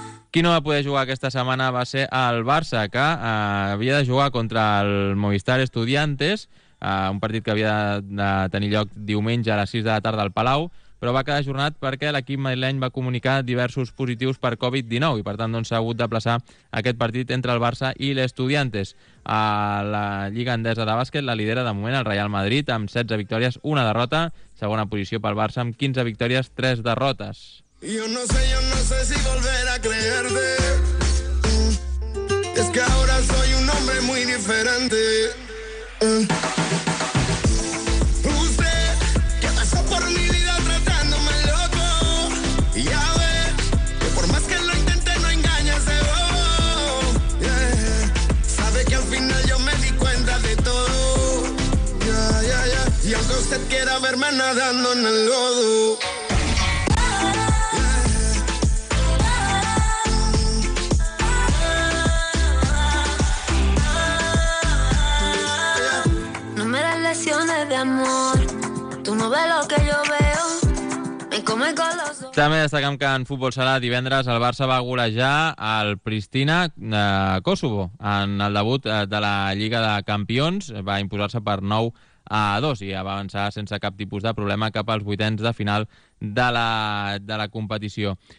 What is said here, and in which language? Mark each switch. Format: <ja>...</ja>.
<ca>Qui no va poder jugar aquesta setmana va ser el Barça, que havia de jugar contra el Movistar Estudiantes, un partit que havia de tenir lloc diumenge a les 6 de la tarda al Palau, però va quedar ajornat perquè l'equip madrileny va comunicar diversos positius per Covid-19 i, per tant, s'ha hagut d'aplaçar aquest partit entre el Barça i l'Estudiantes. A la Lliga Endesa de Bàsquet la lidera de moment el Real Madrid amb 16 victòries, 1 derrota, segona posició pel Barça amb 15 victòries, 3 derrotes.</ca> <es>Yo no sé si volver a creerte. Es que ahora soy un hombre muy diferente. No me das lecciones de amor, tú no ves lo que yo veo, me come con los ojos.</es> <ca>També destacam que en futbol sala divendres el Barça va golejar el Pristina de Kosovo en el debut de la Lliga de Campions, va imposar-se per 9-2 i ja va avançar sense cap tipus de problema cap als vuitens de final de la competició.</ca>